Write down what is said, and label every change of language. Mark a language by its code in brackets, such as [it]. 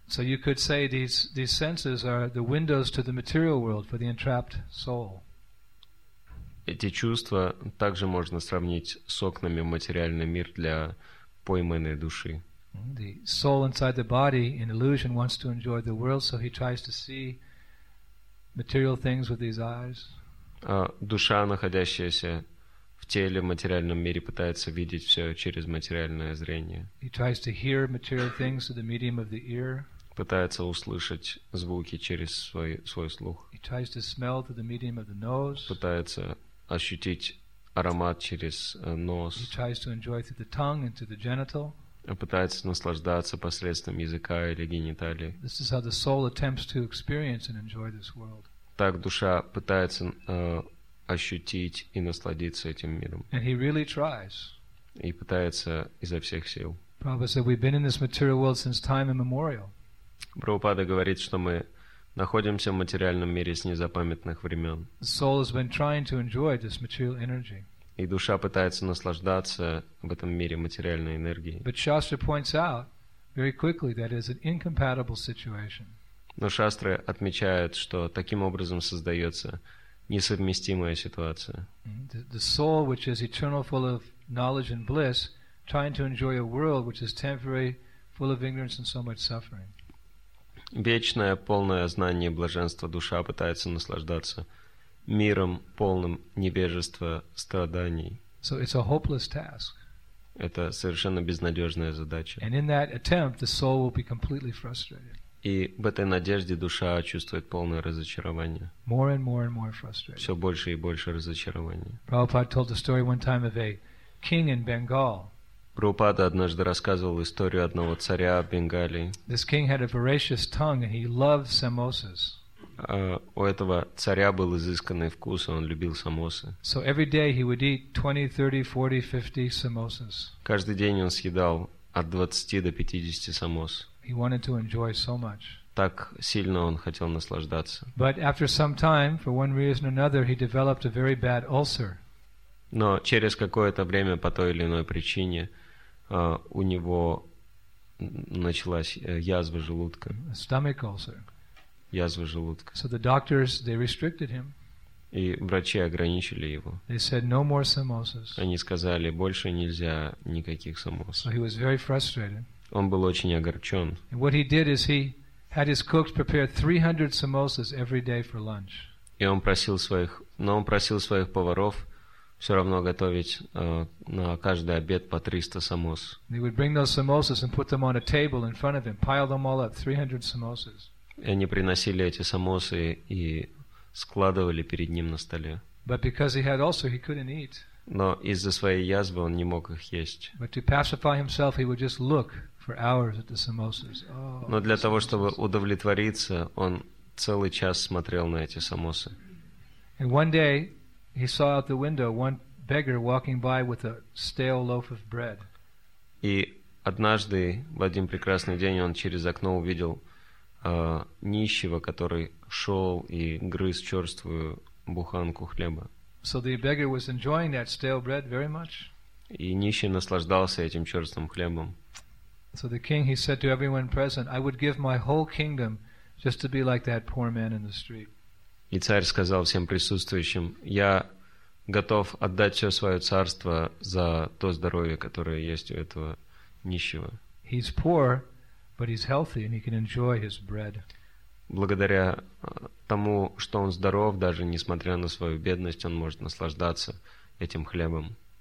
[en] So you could say these senses are the windows to the material world for the entrapped soul. [ru] Эти чувства также можно сравнить с окнами в материальный мир для пойманной души. [en] The soul inside the body in illusion wants to enjoy the world, so he tries to see material things with these eyes. [ru] Душа, находящаяся в теле, в материальном мире, пытается видеть все через материальное зрение. [en] He tries to hear material things through the medium of the ear. [ru] Пытается услышать звуки через свой слух. [en] He tries to smell through the medium of the nose. [ru] Пытается ощутить аромат через нос. [en] He tries to enjoy through the tongue and through the genital. [ru] Пытается наслаждаться посредством языка или гениталий. [en] This is how the soul attempts to experience and enjoy this world. [ru] Так душа пытается ощутить и насладиться этим миром. [en] And he really tries. [ru] И пытается изо всех сил. [en] Prabhupada said, we've been in this material world since time immemorial. [ru] Прабхупада говорит, что мы находимся в материальном мире с незапамятных времен. [en] The soul has been trying to enjoy this material energy. [ru] И душа пытается наслаждаться в этом мире материальной энергией. [en] But Shastra points out very quickly that it is an incompatible situation. [ru] Но Шастры отмечают, что таким образом создается несовместимая ситуация. [en] The soul, which is eternal, full of knowledge and bliss, trying to enjoy a world which is temporary, full of ignorance and so much suffering. [ru] Вечное, полное знание и блаженство душа пытается наслаждаться миром, полным невежества, страданий. [en] So it's a hopeless task. [ru] Это совершенно безнадежная задача. [en] And in that attempt, the soul will be completely frustrated. [ru] И в этой надежде душа чувствует полное разочарование. [en] More and more and more frustrated. [ru] Все больше и больше разочарования. [en] Prabhupada told a story one time of a king in Bengal. [ru] Прабхупада однажды рассказывал историю одного царя в Бенгалии. [en] This king had a voracious tongue and he loved samosas. [ru] У этого царя был изысканный вкус, он любил самосы. [en] So every day he would eat 20, 30, 40, 50 samosas. [ru] Каждый день он съедал от 20 до 50 самос. [en] He wanted to enjoy so much. [ru] Так сильно он хотел наслаждаться. [en] But after some time, for one reason or another, he developed a very bad ulcer. [ru] Но через какое-то время, по той или иной причине, у него началась язва желудка. [en] A stomach ulcer. [ru] Язва желудка. [en] So the doctors, they restricted him. [ru] И врачи ограничили его. [en] They said, no more samosas. [ru] Они сказали, больше нельзя никаких самос. [en] So he was very frustrated. [ru] Он был очень огорчен. [en] And what he did is he had his cooks prepare 300 samosas every day for lunch. [ru] И он просил своих, поваров все равно готовить на каждый обед по 300 самос. [en] They would bring those samosas and put them on a table in front of him, pile them all up, 300 samosas. [ru] И они приносили эти самосы и складывали перед ним на столе. [en] But because he had also, he couldn't eat. [ru] Но из-за своей язвы он не мог их есть. [en] But to pacify himself, he would just look for hours at the samosas. Oh, [ru] но для того, чтобы удовлетвориться, он целый час смотрел на эти самосы. [en] And one day, he saw out the window one beggar walking by with a stale loaf of bread. [ru] И однажды, в один прекрасный день, он через окно увидел нищего, который шел и грыз черствую буханку хлеба. [en] So the beggar was enjoying that stale bread very much. [ru] И нищий наслаждался этим черствым хлебом. [en] So the king, he said to everyone present, I would give my whole kingdom just to be like that poor man in the street. [ru] И царь сказал всем присутствующим, я готов отдать все свое царство за то здоровье, которое есть у этого нищего. [en] He's poor, but he's healthy and he can enjoy his bread. [ru] Благодаря тому, что он здоров, даже несмотря на свою бедность, он может наслаждаться этим хлебом.